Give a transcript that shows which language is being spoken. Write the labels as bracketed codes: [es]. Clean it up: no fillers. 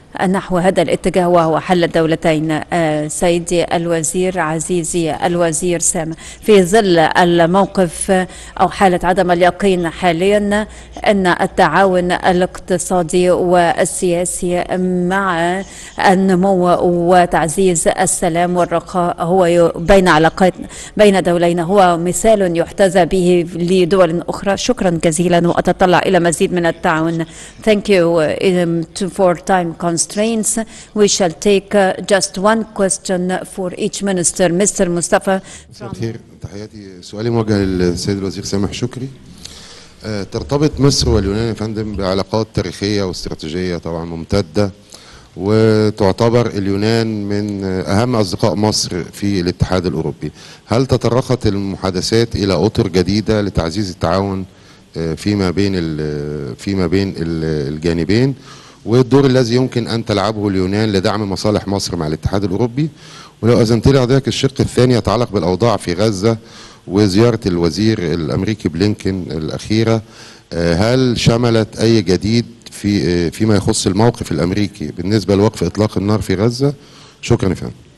[ar] نحو هذا الاتجاه وهو حل الدولتين. سيدي الوزير، عزيزي الوزير سامة، في ظل الموقف أو حالة عدم اليقين حاليا، أن التعاون الاقتصادي والسياسي مع النمو وتعزيز السلام والرخاء هو بين علاقات بين دولين هو مثال يحتذى به لدول أخرى. شكرا جزيلا، وأتطلع إلى مزيد من التعاون. [en] Thank you for time constraints. We shall take just one question for each minister. Mr. Mustafa. [ar] تحياتي. سؤالي موجه للسيد الوزير سامح شكري. ترتبط مصر واليونان يا فندم بعلاقات تاريخية واستراتيجية طبعا ممتدة، وتعتبر اليونان من أهم أصدقاء مصر في الاتحاد الأوروبي. هل تطرقت المحادثات إلى أطر جديدة لتعزيز التعاون فيما بين الجانبين، والدور الذي يمكن أن تلعبه اليونان لدعم مصالح مصر مع الاتحاد الأوروبي؟ ولو أذنت لي أعطيك الشق الثاني، يتعلق بالأوضاع في غزة وزيارة الوزير الأمريكي بلينكين الأخيرة، هل شملت أي جديد فيما يخص الموقف الأمريكي بالنسبة لوقف إطلاق النار في غزة؟ شكرا يا فندم.